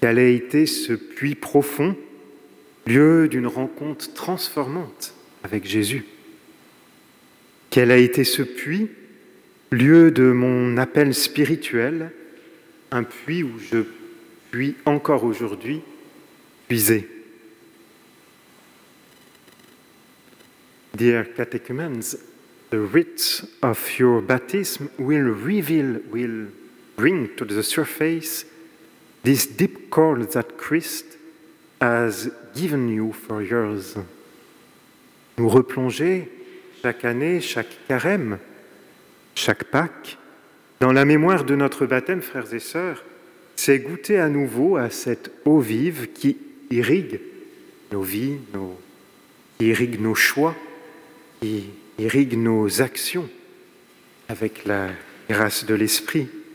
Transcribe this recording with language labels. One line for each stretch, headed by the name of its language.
French: Quel a été ce puits profond, lieu d'une rencontre transformante avec Jésus ? Quel a été ce puits, lieu de mon appel spirituel, un puits où je puis encore aujourd'hui puiser ?
English: Dear catechumens, the rite of your baptism will reveal, will bring to the surface this deep call that Christ has given you for yours.
French: Nous replonger chaque année, chaque carême, chaque Pâque, dans la mémoire de notre baptême, frères et sœurs, c'est goûter à nouveau à cette eau vive qui irrigue nos vies, qui irrigue nos choix, qui irrigue nos actions avec la grâce de l'Esprit.